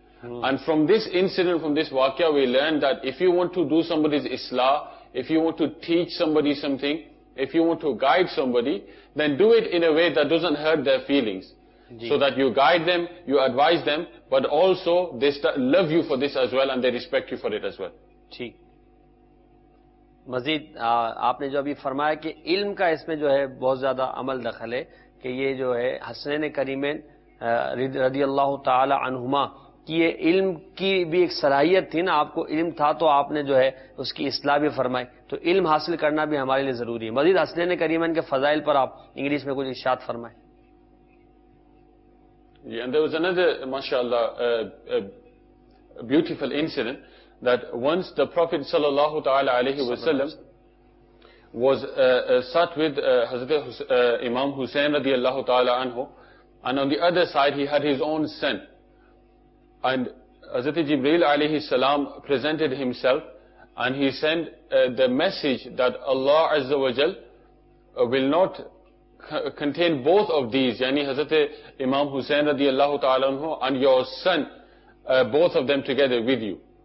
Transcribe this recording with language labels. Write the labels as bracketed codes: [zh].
[en] And from this incident, from this waqia, we learn that if you want to do somebody's islah, if you want to teach somebody something, if you want to guide somebody, then do it in a way that doesn't hurt their feelings. Indeed. So that you guide them, you advise them, but also they love you for this as well and they respect you for it as well. [ur] Theek. Mazid, آپ نے جو ابھی فرمایا کہ علم کا اس میں جو ہے بہت زیادہ عمل دخل ہے، کہ یہ جو ہے حسنین کریمین رضی اللہ تعالی عنہما کی یہ علم کی بھی ایک صلاحیت تھی نا، آپ کو علم تھا تو آپ نے جو ہے اس کی اصلاح بھی فرمائی، تو علم حاصل کرنا بھی ہمارے لیے ضروری ہے۔ مزید حسنین کریمین کے فضائل پر آپ انگلش میں کچھ ارشاد فرمائیں۔ [en] Yeah, and there was another mashallah beautiful incident that once the Prophet sallallahu ta'ala alayhi wa sallam was sat with Hazrat Imam Hussain radiallahu ta'ala anhu, and on the other side he had his own son. And Hazrat Jibreel alayhi salam presented himself and he sent the message that Allah Azza wa Jal will not contain both of these, yani Hazrat Imam Hussain radiallahu ta'ala anhu and your son, both of them together with you.